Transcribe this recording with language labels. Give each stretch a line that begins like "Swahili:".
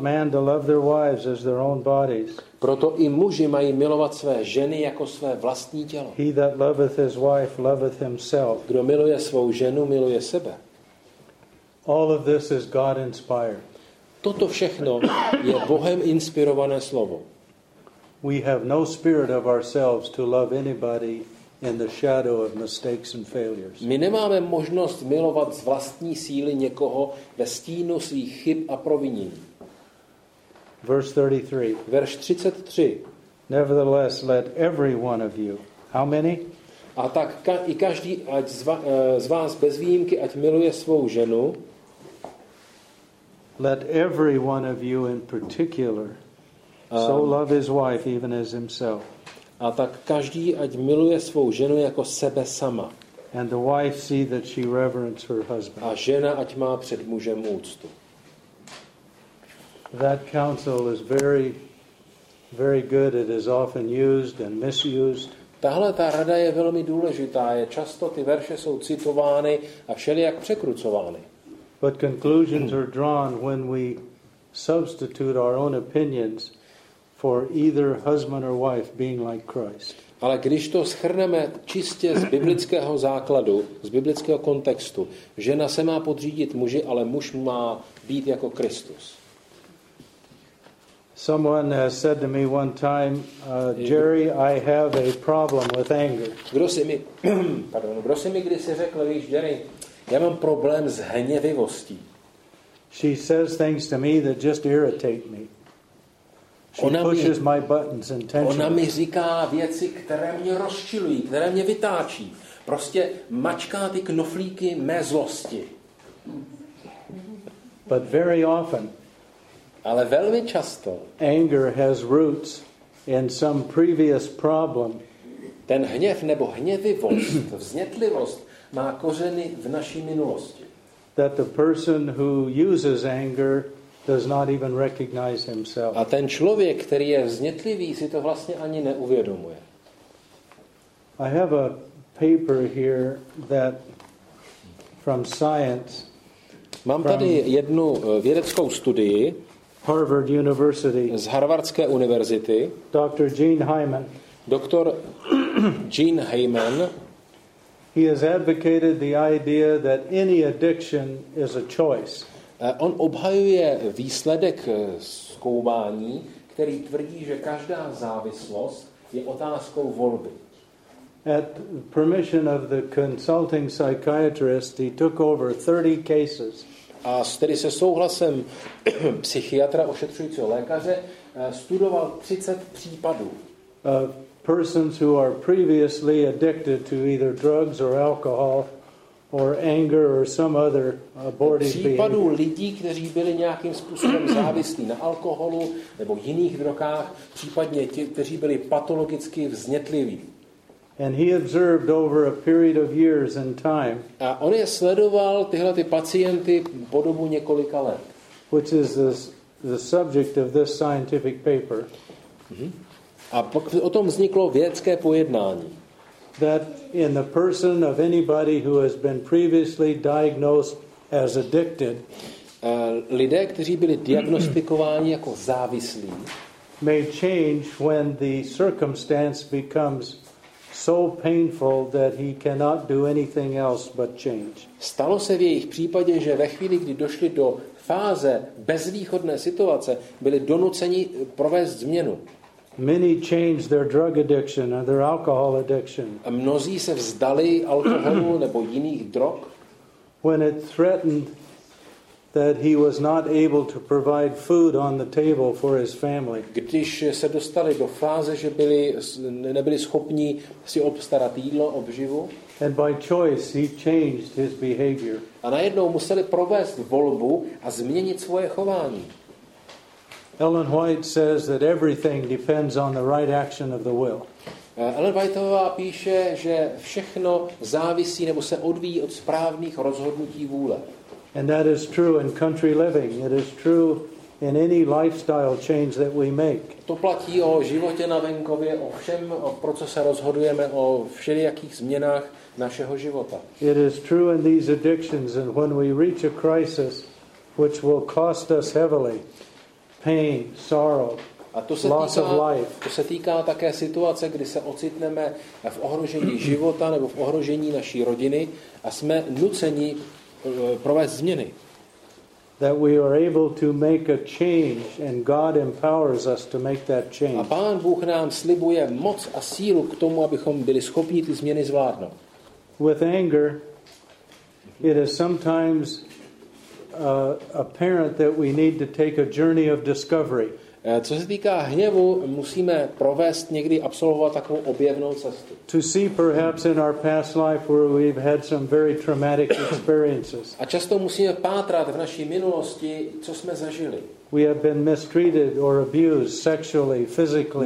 English: men to love their wives as their own bodies.
Czech: Proto i muži mají milovat své ženy jako své vlastní tělo.
English: He that loveth his wife loveth himself.
Czech: Kdo miluje svou ženu, miluje sebe.
English: All of this is God inspired.
Czech: Toto všechno je Bohem inspirované slovo.
English: We have no spirit of ourselves to love anybody in the shadow of mistakes and failures.
Czech: My nemáme možnost milovat z vlastní síly někoho ve stínu svých chyb a provinění.
English: Verse 33.
Czech: Verš 33.
English: Nevertheless, let every one of you. How many?
Czech: A tak i každý ať z vás bez výjimky ať miluje svou ženu.
English: Let every one of you in particular so love his wife even as himself.
Czech: A tak každý ať miluje svou ženu jako sebe sama.
English: And the wife see that she reverence her husband.
Czech: A žena ať má před mužem úctu.
English: That counsel is very very good. It is often used and misused.
Czech: Tahle ta rada je velmi důležitá. Je často ty verše jsou citovány a všelijak překrucovány.
English: But conclusions are drawn when we substitute our own opinions for either husband or wife being like Christ.
Czech: Ale když to shrneme čistě z biblického základu, z biblického kontextu, žena se má podřídit muži, ale muž má být jako Kristus.
English: Someone has said to me one time, Jerry, I have a problem with anger.
Czech: Kdo si mi kdysi řekl, víš, Jerry, já mám problém s hněvivostí.
English: She says things to me that just irritate me.
Czech: Ona mi říká věci, které mě rozčilují, které mě vytáčí. Prostě mačká ty knoflíky mé zlosti.
English: But very often,
Czech: ale velmi často,
English: anger has roots in some previous problem.
Czech: Ten hněv nebo hněvivost, vznětlivost má kořeny v naší minulosti.
English: That the person who uses anger does not even recognize himself.
Czech: A ten člověk, který je vznětlivý, si to vlastně ani neuvědomuje.
English: I have a paper here that from science.
Czech: Mám tady jednu vědeckou studii.
English: Harvard University.
Czech: Z Harvardské univerzity.
English: Dr. Gene Hyman.
Czech: Doktor Gene Hyman.
English: He has advocated the idea that any addiction is a choice.
Czech: On obhajuje výsledek zkoumání, který tvrdí, že každá závislost je otázkou volby.
English: At permission of the consulting psychiatrist, he took over 30 cases.
Czech: A tedy se souhlasem psychiatra ošetřujícího lékaře studoval 30 případů.
English: Persons who are previously addicted to either drugs or alcohol or anger or some other abortive behavior.
Czech: Případů lidí, kteří byli nějakým způsobem závislí na alkoholu nebo jiných drogách, případně ti, kteří byli patologicky vznětliví.
English: And he observed over a period of years in time.
Czech: A on je sledoval tyhle ty pacienty po dobu několika let.
English: Which is the subject of this scientific paper. Mm-hmm.
Czech: A o tom vzniklo vědecké pojednání.
English: That in the person of anybody who has been previously diagnosed as addicted,
Czech: lidé, kteří byli diagnostikováni jako závislí,
English: may change when the circumstance becomes so painful that he cannot do anything else but change.
Czech: Stalo se v jejich případě, že ve chvíli, kdy došli do fáze bezvýchodné situace, byli donuceni provést změnu.
English: Many change their drug addiction and their alcohol addiction.
Czech: A mnozí se vzdali alkoholu nebo jiných drog.
English: When it threatened that he was not able to provide food on the table for his family.
Czech: Když se dostali do fáze, že byli nebyli schopni si obstarat jídlo, obživu.
English: And by choice he changed his behavior.
Czech: A najednou museli provést volbu a změnit svoje chování.
English: Ellen White says that everything depends on the right action of the will.
Czech: Ellen Whiteová píše, že všechno závisí nebo se odvíjí od správných rozhodnutí vůle.
English: And that is true in country living. It is true in any lifestyle change that we make.
Czech: To platí o životě na venkově, o všem, o procese rozhodujeme, o všelijakých změnách našeho života.
English: It is true in these addictions, and when we reach a crisis which will cost us heavily, pain, sorrow, loss of life.
Czech: To se týká také situace, kdy se ocitneme v ohrožení života nebo v ohrožení naší rodiny a jsme nuceni provést změny.
English: That we are able to make a change, and God empowers us to make that change.
Czech: A Pán Bůh nám slibuje moc a sílu k tomu, abychom byli schopni ty změny zvládnout.
English: With anger, it is sometimes apparent that we need to take a journey of discovery.
Czech: Co se týká hněvu, musíme provést někdy absolvovat takovou objevnou cestu.
English: To see perhaps in our past life where we've had some very traumatic experiences.
Czech: A často musíme pátrat v naší minulosti, co jsme zažili.
English: We have been mistreated or abused sexually, physically.